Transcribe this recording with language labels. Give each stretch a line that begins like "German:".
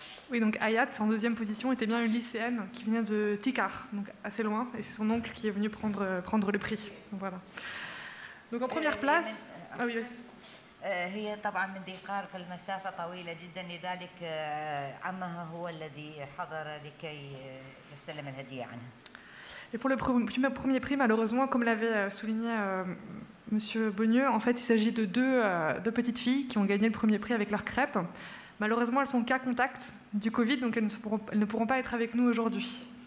French: Oui, donc Hayat, en deuxième position, était bien une lycéenne qui venait de Tikar, donc assez loin, et c'est son oncle qui est venu prendre le prix. Donc, voilà. Donc en première place. Ah oui.
Arabic: هي طبعا من ديقار في المسافة طويلة جدا لذلك عمها هو الذي حضر لكي يسلم الهدية عنها.
French: Et pour le premier prix, malheureusement, comme l'avait souligné Monsieur Bonnieu, en fait, il s'agit de deux petites filles qui ont gagné le premier prix avec leur crêpe. Malheureusement, elles sont cas contact du Covid, donc elles ne pourront pas être avec nous aujourd'hui.